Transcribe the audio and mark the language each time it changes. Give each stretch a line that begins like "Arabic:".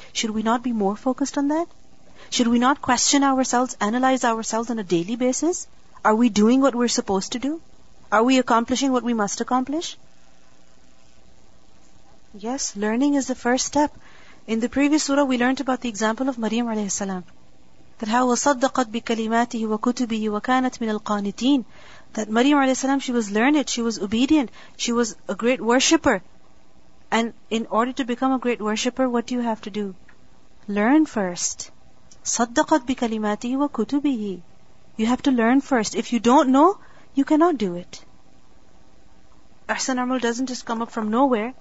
English: Should we not be more focused on that? Should we not question ourselves, analyze ourselves on a daily basis? Are we doing what we're supposed to do? Are we accomplishing what we must accomplish? Yes, learning is the first step. In the previous surah, we learned about the example of Maryam alayhi salam. That how
Arabic: وَصَدَّقَتْ بِكَلِمَاتِهِ وَكُتُبِهِ وَكَانَتْ مِنَ الْقَانِتِينَ.
English: That Maryam alayhi salam, she was learned, she was obedient, she was a great worshipper. And in order to become a great worshipper, what do you have to do? Learn first.
Arabic: صَدَّقَتْ بِكَلِمَاتِهِ وَكُتُبِهِ.
English: You have to learn first. If you don't know, you cannot do it. Ahsan Amal doesn't just come up from nowhere.